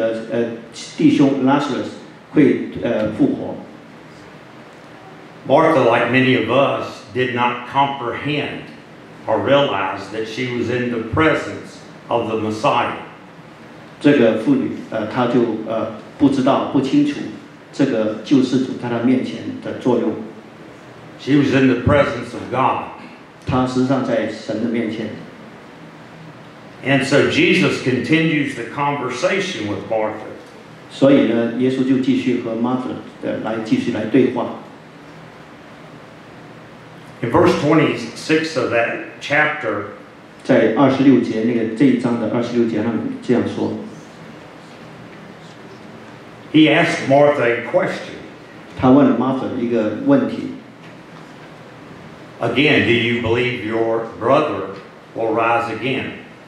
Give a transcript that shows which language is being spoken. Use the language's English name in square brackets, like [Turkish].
[Chinese] 他说你相不相信你的弟兄Lazarus 会复活。 [English] Martha, like many of us, did not comprehend or realize that she was in the presence of the Messiah. [Chinese] 这个妇女，她就不知道，不清楚这个救世主在她面前的作用。 [English] She was in the presence of God. [Chinese] 她实际上在神的面前。 [English] And so Jesus continues the conversation with Martha. [Chinese] 所以呢，耶稣就继续和Martha来继续来对话。 [English] In verse 26 of that chapter, [Chinese] 在26节，这一章的26节上这样说， [English] He asked Martha a question. [Chinese] 他问了Martha一个问题。 [English] Again, do you believe your brother will rise again?